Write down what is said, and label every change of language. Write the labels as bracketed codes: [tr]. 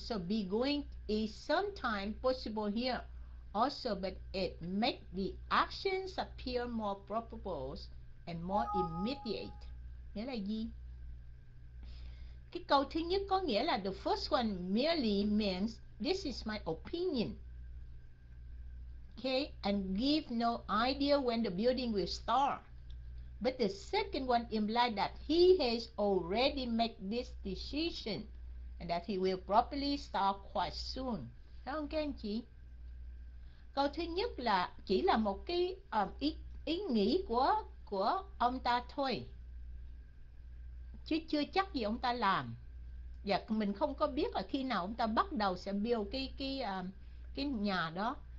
[en] So be going is sometimes possible here also, but it makes the actions appear more probable and more immediate. [vi] Nghĩa là gì? Cái câu thứ nhất có nghĩa là [en] the first one merely means this is my opinion. Okay, and give no idea when the building will start. But the second one implies that he has already made this decision and that he will probably start quite soon. [vi] Thấy không các anh chị? Câu thứ nhất là chỉ là một cái ý nghĩ của ông ta thôi, chứ chưa chắc gì ông ta làm. Và mình không có biết là khi nào ông ta bắt đầu sẽ build cái nhà đó.